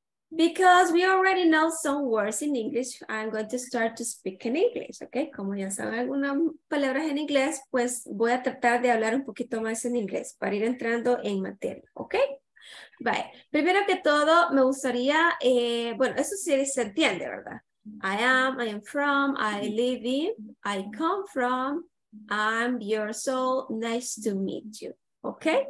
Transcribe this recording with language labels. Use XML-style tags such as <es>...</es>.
<en>Because we already know some words in English, I'm going to start to speak in English, ¿ok?</en> <es>Como ya saben algunas palabras en inglés, pues voy a tratar de hablar un poquito más en inglés para ir entrando en materia, ¿ok? Vale, primero que todo, me gustaría, bueno, eso sí se entiende, ¿verdad?</es> <en>I am from, I live in, I come from, I'm your soul, nice to meet you, ¿ok?</en>